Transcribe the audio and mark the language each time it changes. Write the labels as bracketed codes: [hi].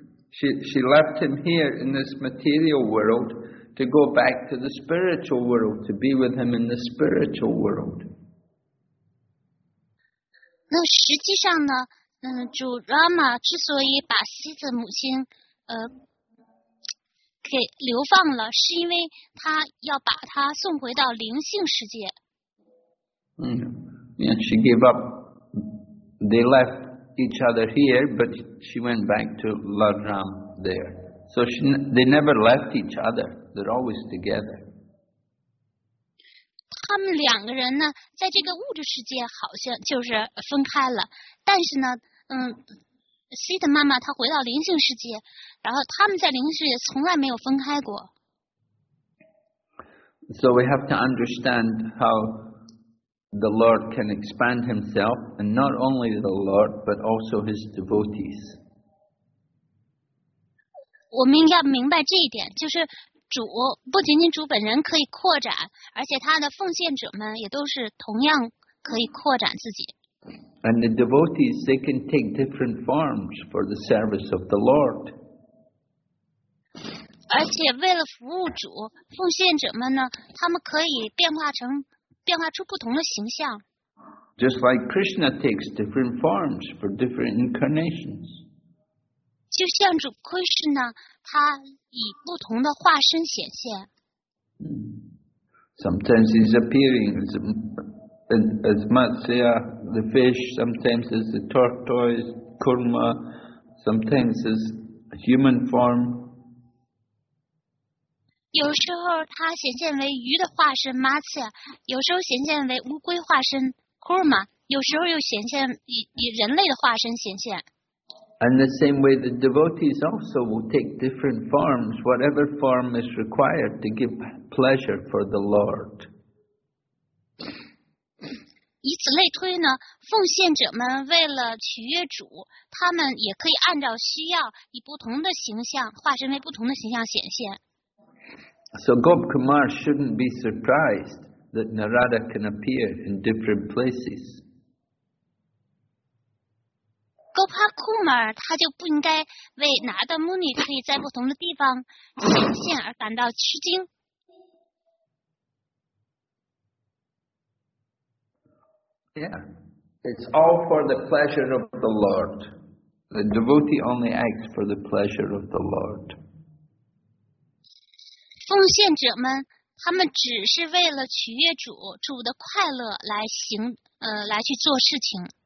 [en] She left him here in this material world to go back to the spiritual world, to be with him in the spiritual world. [zh] 那实际上呢主 Rama 之所以把西子母亲给流放了，是因为他要把他送回到灵性世界。 [en] Yeah, she gave up. They left each other here, but she went back to Lord Ram there. So they never left each other. They're always together. [zh] 他们两个人呢，在这个物质世界好像就是分开了，但是呢，Sita 妈妈她回到灵性世界，然后他们在灵性世界从来没有分开过。 [en] So we have to understand how the Lord can expand Himself, and not only the Lord, but also His devotees. [zh] 我们要明白这一点，就是主不仅仅主本人可以扩展，而且他的奉献者们也都是同样可以扩展自己。 [en] And the devotees, they can take different forms for the service of the Lord. [zh] 而且为了服务主，奉献者们呢，他们可以变化出不同的形象。 [en] Just like Krishna takes different forms for different incarnations. [zh] 就像主 Krishna 他以不同的化身显现。 [en] Sometimes he's appearing as Matsya, the fish, sometimes as the tortoise, Kurma, sometimes as a human form. [zh] 有时候他显现为鱼的化身 Matsya, 有时候显现为乌龟化身 Kurma, 有时候又显现以人类的化身显现。 [en] And the same way the devotees also will take different forms, whatever form is required to give pleasure for the Lord. [zh] 以此类推呢，奉献者们为了取悦主，他们也可以按照需要以不同的形象，化身为不同的形象显现。 [en] So Gop Kumar shouldn't be surprised that Narada can appear in different places. [zh] Gopa Kumar 他就不应该为 Narada Muni 可以在不同的地方显现而感到吃惊。 [en] Yeah, it's all for the pleasure of the Lord. The devotee only acts for the pleasure of the Lord. [zh] 奉献者们，他们只是为了取悦主的快乐来行，来去做事情。